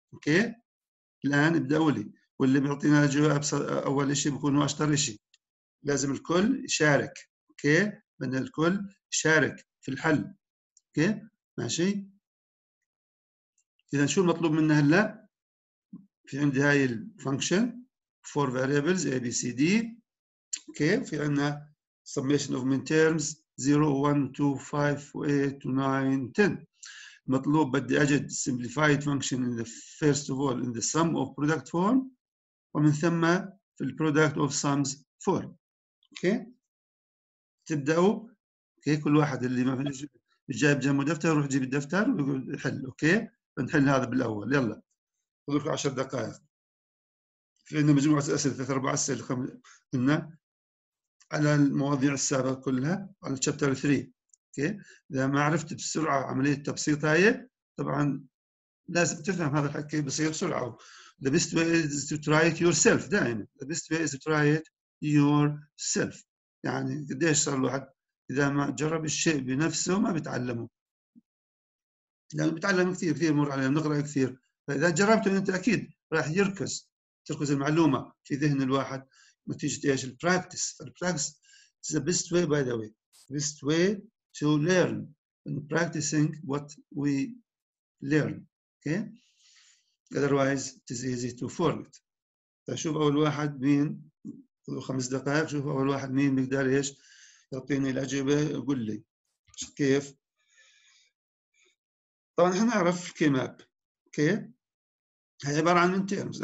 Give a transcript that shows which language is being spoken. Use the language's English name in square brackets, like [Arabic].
[Arabic] أوكي، الآن ابدأوا لي، واللي بيعطينا جواب أول شيء بيكون هو أشطر شيء. لازم الكل يشارك. أوكي، بدنا الكل يشارك في الحل. أوكي، ماشي. إذا شو المطلوب منا هلا؟ في عندي هاي الفانكشن [English] four variables a b c d. [Arabic] اوكي، في عندنا [English] summation of min terms 0 1 2 5 8 9 10. [Arabic] مطلوب بدي اجد [English] simplified function in the first of all in the sum of product form، [Arabic] ومن ثم في [English] the product of sums form. [Arabic] اوكي، تبداوا. اوكي، كل واحد اللي ما جايب جنبه دفتر روح جيب الدفتر ويحل. اوكي، بنحل هذا بالاول. يلا خذوا لكم 10 دقائق. لأن مجموعة أسئلة 3 4 أسئلة قلنا على المواضيع السابقة كلها على chapter 3. أوكي، إذا ما عرفت بسرعة عملية التبسيط هاي، طبعا لازم تفهم هذا الحكي بصير بسرعة. [English] The best way is to try it yourself. [Arabic] دائما [English] the best way is to try it yourself. [Arabic] يعني قديش صار الواحد إذا ما جرب الشيء بنفسه ما بيتعلمه، لأنه بيتعلم كثير كثير مر علينا نقرأ كثير، فإذا جربته أنت أكيد راح يركز تركز المعلومة في ذهن الواحد نتيجة إيش؟ الـ practice. [English] الـ practice is the best way by the way. Best way to learn and practicing what we learn. Okay? Otherwise it is easy to forget. [Arabic] شوف أول واحد مين، خذوا 5 دقائق، شوف أول واحد مين بيقدر إيش يعطيني الأجوبة يقول لي كيف. طبعا إحنا نعرف كيماب. Okay؟ هي عبارة عن من terms.